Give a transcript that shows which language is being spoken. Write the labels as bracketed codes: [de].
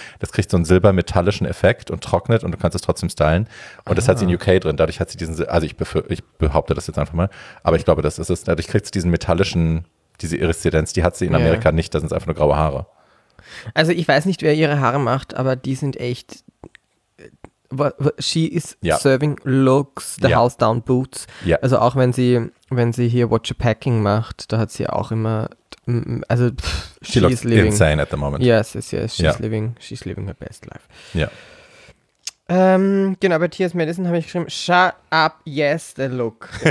[de] Das kriegt so einen silbermetallischen Effekt und trocknet und du kannst es trotzdem stylen. Und das hat sie in UK drin. Dadurch hat sie diesen, also ich behaupte das jetzt einfach mal, aber ich glaube, das ist es. Dadurch kriegst du diesen metallischen, diese Iriszidenz, die hat sie in Amerika nicht. Da sind es einfach nur graue Haare. Also ich weiß nicht, wer ihre Haare macht, aber die sind echt. [en] She is serving looks, the house down boots. [de] Ja. Also auch wenn sie hier Watch a Packing macht, da hat sie auch immer, also pff, [en] she looks living. Insane at the moment. Yes. She's living her best life. [de] Ja. Genau, bei T.S. Madison habe ich geschrieben, [en] shut up, yes, the look.